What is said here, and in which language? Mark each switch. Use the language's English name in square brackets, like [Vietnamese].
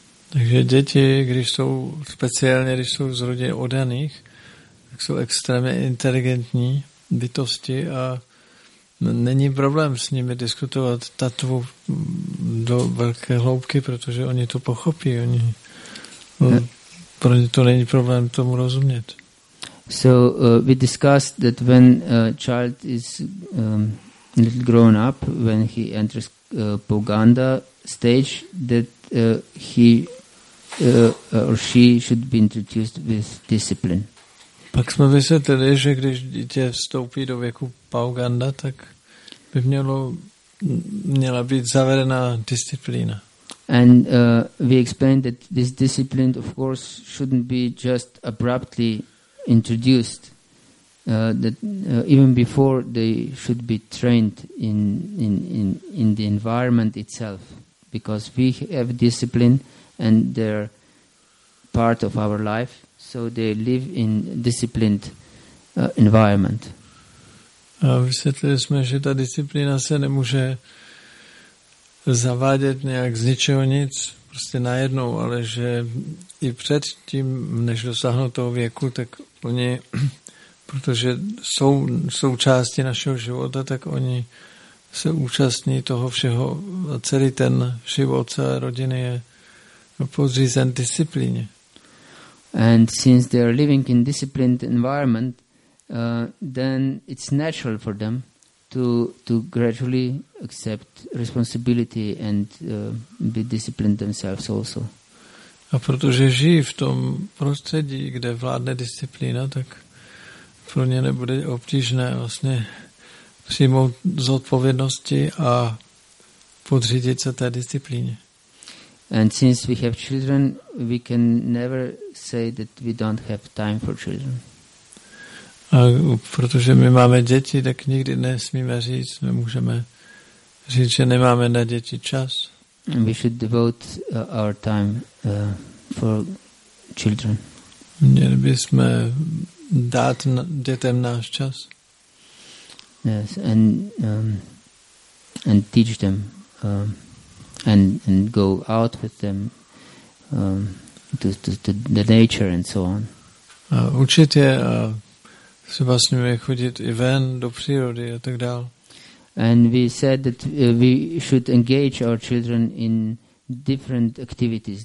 [Czech] Takže děti, když jsou speciálně, když jsou z rodin oddaných, tak jsou extrémně inteligentní bytosti a není problém s nimi diskutovat tattvu do velké hloubky, protože oni to pochopí. Oni, pro ně to není problém tomu rozumět. [English] So we discussed that when a child is little grown up, when he enters Puganda stage, that he or she should be introduced with discipline. [Czech] Pak jsme vysvětlili, že když dítě vstoupí do věku Puganda, tak by měla být zavedena disciplína. [English] And we explained that this discipline, of course, shouldn't be just abruptly introduced, even before they should be trained in the environment itself, because we have discipline and they're part of our life, so they live in disciplined environment. [Czech] A vysvětlili jsme, že ta disciplína se nemůže zavádět nějak z ničeho nic, prostě najednou, ale že i před tím, než dosáhnou toho věku, tak oni, protože jsou součástí našeho života, tak oni se účastní toho všeho a celý ten život, celé rodiny je podřízen disciplíně. [English] And since they are living in disciplined environment, then it's natural for them to gradually accept responsibility and be disciplined themselves also. [Czech] A protože žijí v tom prostředí, kde vládne disciplína, tak pro ně nebude obtížné vlastně přijmout zodpovědnosti a podřídit se té disciplíně. [English] And since we have children, we can never say that we don't have time for children. [Czech] A protože my máme děti, tak nikdy nesmíme říct, nemůžeme říct, že nemáme na děti čas. [English] We should devote our time for children. [Czech] Měli bychom dát dětem náš čas. [English] Yes, and teach them and go out with them to the nature and so on. [Czech] A učit je a třeba s nimi chodit i ven do přírody a tak dál. [English] And we said that we should engage our children in different activities.